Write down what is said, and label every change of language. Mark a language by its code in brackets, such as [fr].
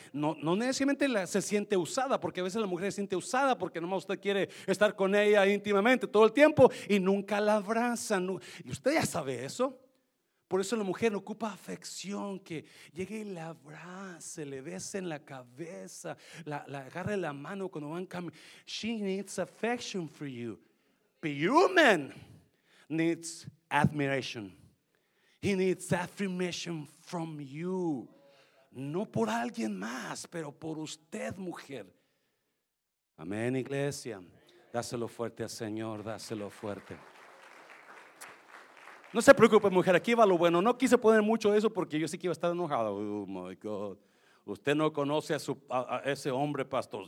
[es] No necesariamente se siente usada, porque a veces la mujer se siente usada porque nomás usted quiere estar con ella íntimamente todo el tiempo y nunca la abrazan. Y usted ya sabe eso. Por eso la mujer ocupa afección, que llegue y la abrace, le bese en la cabeza, la agarre la mano cuando van caminando. [en] She needs affection for you. But you man needs admiration. He needs affirmation from you. [es] No por alguien más, pero por usted, mujer. Amén, iglesia. Dáselo fuerte al Señor, dáselo fuerte. No se preocupe, mujer, aquí va lo bueno. No quise poner mucho eso porque yo sí que iba a estar enojado. [en] Oh my God. [es] Usted no conoce a ese hombre, pastor.